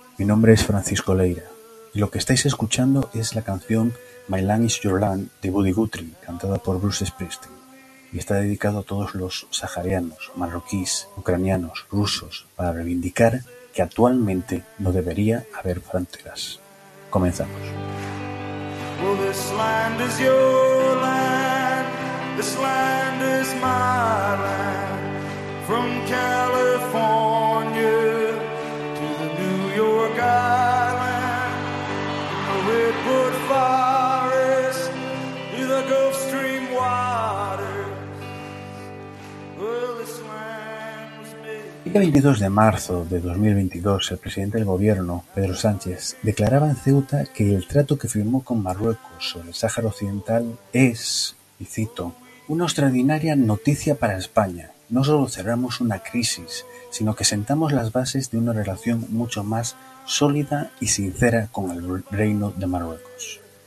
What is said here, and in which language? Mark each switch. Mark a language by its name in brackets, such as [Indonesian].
[Spanish] Mi nombre es Francisco Leira, y lo que estáis escuchando es la canción My Land is Your Land de Buddy Guthrie, cantada por Bruce Springsteen, y está dedicado a todos los saharianos, marroquíes, ucranianos, rusos, para reivindicar que actualmente no debería haber fronteras. Comenzamos. [English] Well, this land is your land, this land is my land, from California to the New York Island, the Redwood Forest, near the Gulf Stream waters. Well, this land was made. [Spanish] El 22 de marzo de 2022, el presidente del gobierno, Pedro Sánchez, declaraba en Ceuta que el trato que firmó con Marruecos sobre el Sáhara Occidental es, y cito, una extraordinaria noticia para España. No solo cerramos una crisis, sino que sentamos las bases de una relación mucho más sólida y sincera con el Reino de Marruecos.